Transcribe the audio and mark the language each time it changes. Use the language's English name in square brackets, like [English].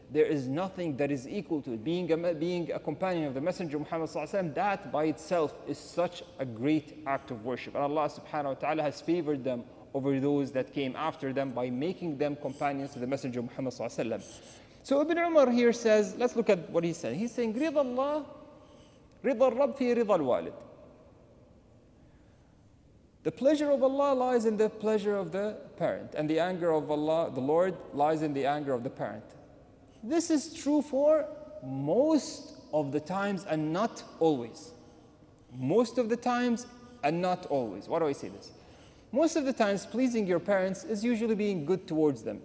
[English] There is nothing that is equal to it. Being a companion of the Messenger Muhammad sallallahu alaihi wasallam, that by itself is such a great act of worship. And Allah subhanahu wa ta'ala has favored them over those that came after them by making them companions to the Messenger Muhammad sallallahu alaihi wasallam. So Ibn Umar here says, let's look at what he said. He's saying, [Arabic] رضا الله رضا الرب في رضا الوالد. [English] The pleasure of Allah lies in the pleasure of the parent, and the anger of Allah, the Lord, lies in the anger of the parent. This is true for most of the times and not always. Most of the times and not always. Why do I say this? Most of the times, pleasing your parents is usually being good towards them.